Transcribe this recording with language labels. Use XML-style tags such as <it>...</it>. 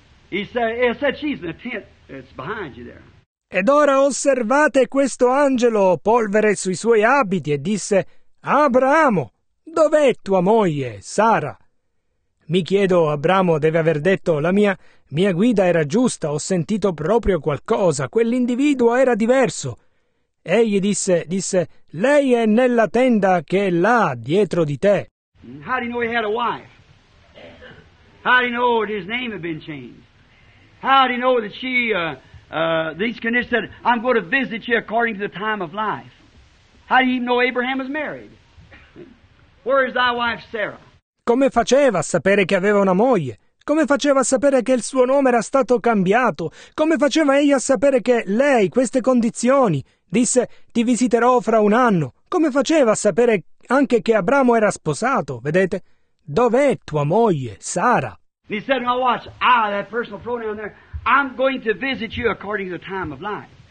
<en>He said, she's in the tent. It's behind you there.</en> <it>Ed ora osservate questo angelo, polvere sui suoi abiti, e disse, Abramo, dov'è tua moglie, Sara? Mi chiedo, Abramo deve aver detto, la mia guida era giusta, ho sentito proprio qualcosa, quell'individuo era diverso. Egli disse, lei è nella tenda che è là, dietro di te.</it> <en>How do you know he had a wife? How do you know that his name had been changed? How do you know that she, these conditions said, I'm going to visit you according to the time of life? How do you even know Abraham was married? Where is thy wife Sarah?</en> <it>Come faceva a sapere che aveva una moglie? Come faceva a sapere che il suo nome era stato cambiato? Come faceva egli a sapere che lei, queste condizioni? Disse, ti visiterò fra un anno. Come faceva a sapere anche che Abramo era sposato? Vedete? Dov'è tua moglie, Sara?</it> <en>He said, now watch, that personal pronoun there. I'm going to visit you according to the time of life.</en>